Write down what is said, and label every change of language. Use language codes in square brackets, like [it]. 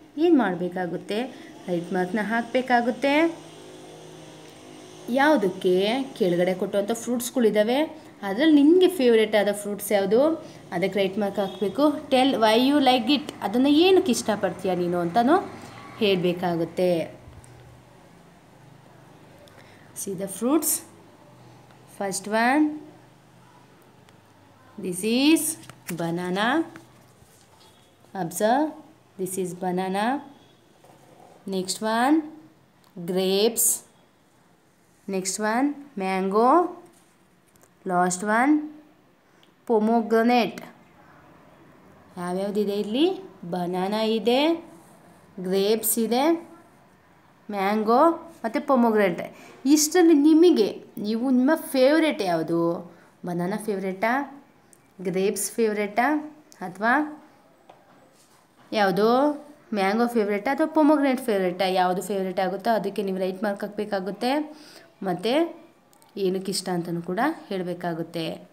[kn] ಏನು ಮಾಡಬೇಕಾಗುತ್ತೆ, ರೈಟ್ ಮಾರ್ಕ್ನ ಹಾಕಬೇಕಾಗುತ್ತೆ ಯಾವುದಕ್ಕೆ, ಕೆಳಗಡೆ ಕೊಟ್ಟುವಂಥ ಫ್ರೂಟ್ಸ್ಗಳಿದ್ದಾವೆ ಅದರಲ್ಲಿ ನಿಮಗೆ ಫೇವ್ರೆಟ್ ಆದ ಫ್ರೂಟ್ಸ್ ಯಾವುದು ಅದಕ್ಕೆ ರೈಟ್ ಮಾರ್ಕ್ ಹಾಕಬೇಕು. [en] tell why you like it, [kn] ಅದನ್ನು ಏನಕ್ಕೆ ಇಷ್ಟಪಡ್ತೀಯ ನೀನು ಅಂತಲೂ ಹೇಳಬೇಕಾಗುತ್ತೆ. [en] See the fruits. First one, this is banana. Observe, this is banana. Next one, grapes. Next one, mango. Last one, pomegranate. Have you ever did it? Banana ide, [kn] grapes ಇದೆ, mango ಮತ್ತು ಪೊಮೊಗ್ರೆಟ್. ಇಷ್ಟರಲ್ಲಿ ನಿಮಗೆ ನೀವು ನಿಮ್ಮ ಫೇವ್ರೇಟ್ ಯಾವುದು? Banana ಫೇವ್ರೇಟಾ, grapes ಫೇವ್ರೇಟಾ, ಅಥವಾ ಯಾವುದು mango ಫೇವ್ರೇಟಾ, ಅಥವಾ ಪೊಮೊಗ್ರೆಟ್ ಫೇವ್ರೇಟಾ? ಯಾವುದು ಫೇವ್ರೇಟ್ ಆಗುತ್ತೋ ಅದಕ್ಕೆ ನೀವು ರೈಟ್ ಮಾರ್ಕ್ ಹಾಕಬೇಕಾಗುತ್ತೆ, ಮತ್ತು ಏನಕ್ಕೆ ಇಷ್ಟ ಅಂತಲೂ ಕೂಡ ಹೇಳಬೇಕಾಗುತ್ತೆ.